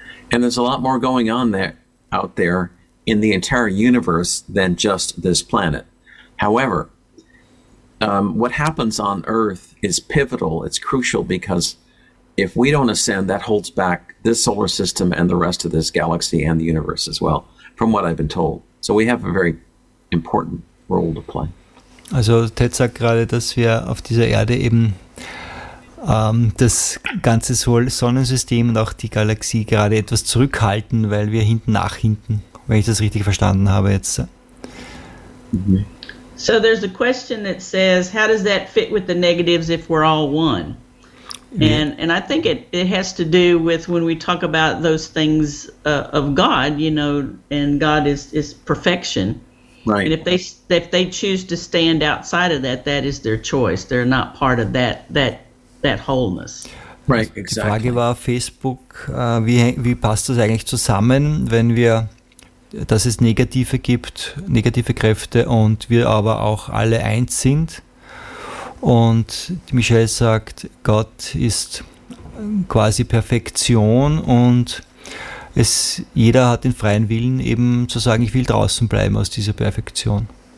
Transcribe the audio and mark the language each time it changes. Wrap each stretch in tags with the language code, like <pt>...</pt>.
<en>And there's a lot more going on there out there in the entire universe than just this planet. However, what happens on Earth is pivotal, it's crucial, because if we don't ascend, that holds back this solar system and the rest of this galaxy and the universe as well, from what I've been told. So we have a very important role to play.</en> <de>Also Ted sagt gerade, dass wir auf dieser Erde eben das ganze Sonnensystem und auch die Galaxie gerade etwas zurückhalten, weil wir hinten nachhinken, wenn ich das richtig verstanden habe jetzt. Mhm.</de> <en>So there's a question that says, how does that fit with the negatives if we're all one? And I think it has to do with when we talk about those things of God, you know, and God is perfection. Right. And if they choose to stand outside of that, that is their choice. They're not part of that wholeness. Right, exactly.</en> <de>Die Frage war auf Facebook, wie passt das eigentlich zusammen, wenn wir... dass es negative gibt, negative Kräfte, und wir aber auch alle eins sind. Und Michelle sagt, Gott ist quasi Perfektion, und jeder hat den freien Willen, eben zu sagen, ich will draußen bleiben aus dieser Perfektion.</de>